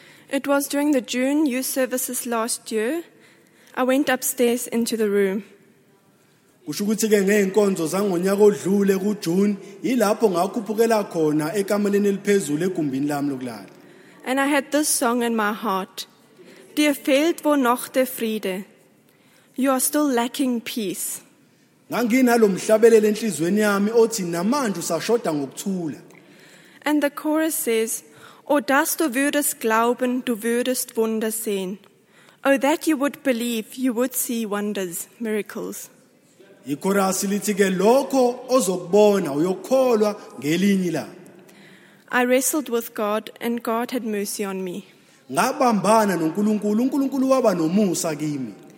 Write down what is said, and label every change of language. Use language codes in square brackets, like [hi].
[en] It was during the June youth services last year. I went upstairs into the room. [zu] Kusho ukuthi ke ngeenkonzo zangonyaka odlule kuJune yilapho ngakhuphukela khona ekameleni eliphezulu egumbini lami lokulala. [en] And I had this song in my heart. [de] Dir fehlt wo noch der Friede. [en] You are still lacking peace. [zu] Nganginalo mhlabelele enhlizweni yami othi namanje usashoda ngokuthula. [en] And the chorus says, [de] O dass du würdest glauben, du würdest Wunder sehen. [en] O that you would believe, you would see wonders, miracles. [zu] Ikorasi lithi ke lokho ozokubona uyokholwa ngelinye la. [en] I wrestled with God and God had mercy on me. [zu] Ngabambana noNkulunkulu, uNkulunkulu waba nomusa kimi.